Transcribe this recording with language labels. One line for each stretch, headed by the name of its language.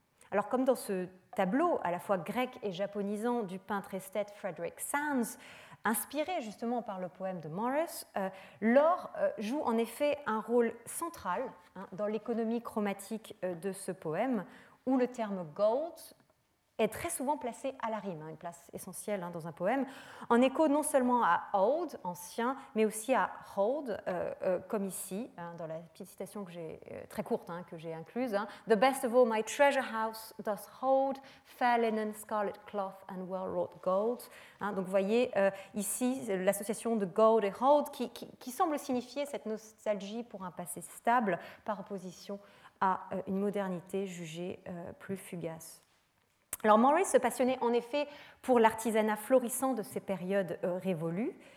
French: Alors, comme dans ce tableau, à la fois grec et japonisant, du peintre esthète Frederick Sands, inspiré justement par le poème de Morris, l'or joue en effet un rôle central dans l'économie chromatique de ce poème, où le terme gold est très souvent placé à la rime, une place essentielle dans un poème, en écho non seulement à old, ancien, mais aussi à hold, comme ici, dans la petite citation que j'ai, très courte que j'ai incluse.
English: Hein, The best of all my treasure house does hold fair linen, scarlet cloth and well-wrought gold.
French: Hein, donc vous voyez ici l'association de gold et hold qui semble signifier cette nostalgie pour un passé stable par opposition à une modernité jugée plus fugace. Alors, Morris se passionnait en effet pour l'artisanat florissant de ces périodes révolues.